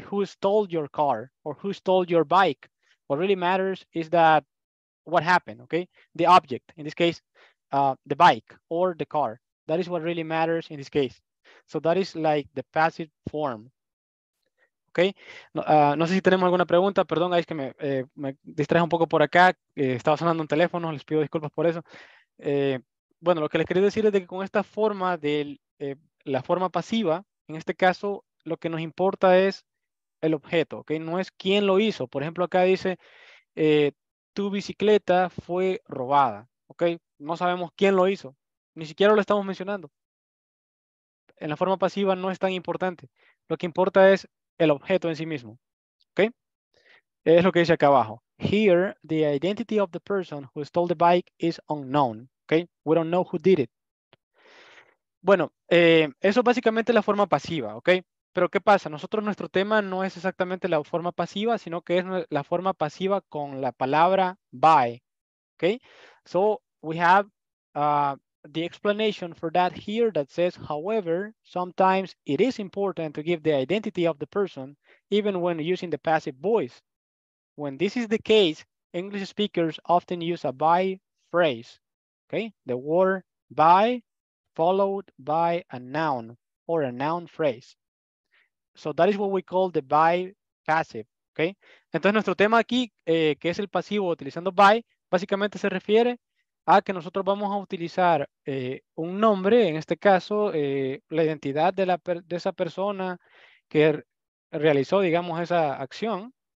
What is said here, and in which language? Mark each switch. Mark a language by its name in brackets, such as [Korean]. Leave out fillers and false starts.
[English] Who stole your car or who stole your bike? What really matters is that what happened, okay? The object, in this case, the bike or the car. That is what really matters in this case. So that is like the passive form, okay? [Spanish] No sé si tenemos alguna pregunta. Perdón, guys, que me distraje un poco por acá. Estaba sonando un teléfono. Les pido disculpas por eso. Bueno, lo que les quería decir es de que con esta forma de la forma pasiva, en este caso, lo que nos importa es el objeto, ¿ok? No es quién lo hizo. Por ejemplo, acá dice, tu bicicleta fue robada, ¿ok? No sabemos quién lo hizo. Ni siquiera lo estamos mencionando. En la forma pasiva no es tan importante. Lo que importa es el objeto en sí mismo, ¿ok? Es lo que dice acá abajo. [English] Here, the identity of the person who stole the bike is unknown. Okay, we don't know who did it. [Spanish] Bueno, eso es básicamente la forma pasiva, okay. Pero ¿qué pasa? Nosotros, nuestro tema no es exactamente la forma pasiva, sino que es la forma pasiva con la palabra by. [English] Okay, so we have the explanation for that here that says, however, sometimes it is important to give the identity of the person even when using the passive voice. When this is the case, English speakers often use a by phrase. Okay, the word by followed by a noun or a noun phrase. So that is what we call the by passive. [Spanish] Okay, entonces nuestro tema aquí, que es el pasivo utilizando by, básicamente se refiere a que nosotros vamos a utilizar un nombre, en este caso, la identidad de esa persona que realizó, digamos, esa acción.